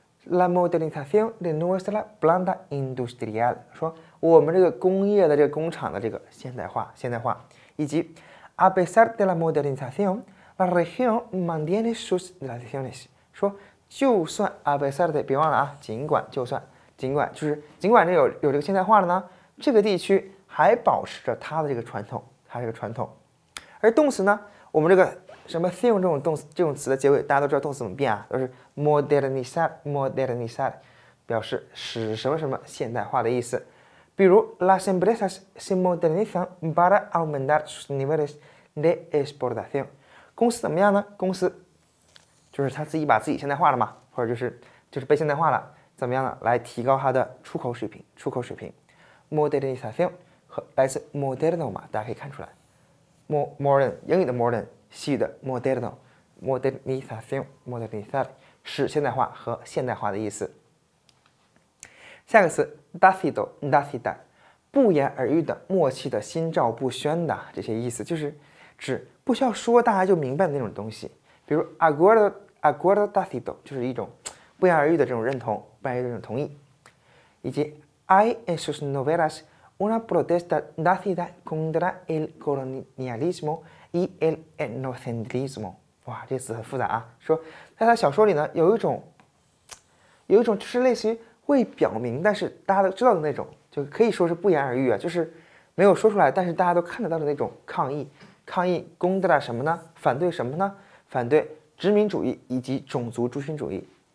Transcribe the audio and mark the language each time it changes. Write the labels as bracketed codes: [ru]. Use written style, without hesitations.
[es] La modernización de nuestra planta industrial， [zh] 说我们这个工业的这个工厂的这个现代化，现代化，以及 [es] a pesar de la modernización，la región mantiene sus tradiciones， [zh] 说就算 [es] a pesar de， [zh] 别忘了啊，尽管就算，尽管就是尽管这有这个现代化了呢，这个地区还保持着它的这个传统，它这个传统。而动词呢，我们这个。什么 thing 这种动词这种词的结尾，大家都知道动词怎么变啊？都是 modernizar，表示使什么什么现代化的意思。 [es] 比如 las empresas se modernizan para aumentar sus niveles de exportación。 [zh] 公司怎么样呢？公司就是他自己把自己现代化了嘛，或者就是被现代化了，怎么样呢？来提高它的出口水平，出口水平。 modernización 和来自 moderno 嘛，大家可以看出来，modern 英语的 modern。系的 moderno，modernización，modernizar，使现代化和现代化的意思。下个词 dacido，dacida，不言而喻的、默契的、心照不宣的这些意思，就是指不需要说大家就明白的那种东西。比如 acuerdo dacido 就是一种不言而喻的这种认同，不言而喻的这种同意。 [es] 以及 hay en sus novelas una protesta dacida contra el colonialismo。 y el etnocentrismo， [zh] 哇，这词很复杂啊。说在他小说里呢，有一种就是类似于未表明，但是大家都知道的那种，就可以说是不言而喻啊，就是没有说出来，但是大家都看得到的那种抗议。抗议攻打什么呢？反对什么呢？反对殖民主义以及种族族群主义。